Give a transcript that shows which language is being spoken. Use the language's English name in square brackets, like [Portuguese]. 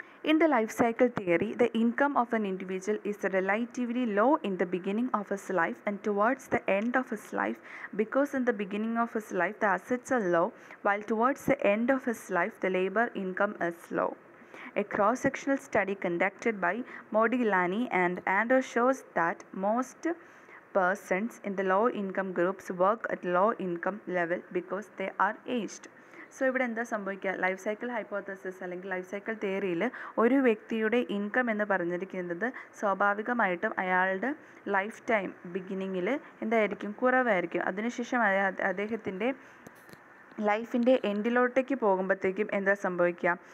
[English] In the life cycle theory, the income of an individual is relatively low in the beginning of his life and towards the end of his life. Because in the beginning of his life the assets are low, while towards the end of his life the labour income is low. A cross-sectional study conducted by Modigliani and Andor shows that most persons in the low-income groups work at low-income level because they are aged. [Malayalam] So ഇവിടെ എന്താ സംഭവിക്കുക? Life cycle hypothesis അല്ലെങ്കിൽ life cycle തിയറിയിൽ ഒരു വ്യക്തിയുടെ income എന്ന് പറഞ്ഞിരിക്കുന്നത് സ്വാഭാവികമായിട്ടും അയാളുടെ ലൈഫ് ടൈം ബിഗിനിങ്ങിൽ എന്തായിരിക്കും? കുറവായിരിക്കും. അതിനുശേഷം അദ്ദേഹത്തിൻ്റെ ലൈഫിൻ്റെ എൻഡിലോട്ടേക്ക് പോകുമ്പോഴത്തേക്കും എന്താ സംഭവിക്കുക?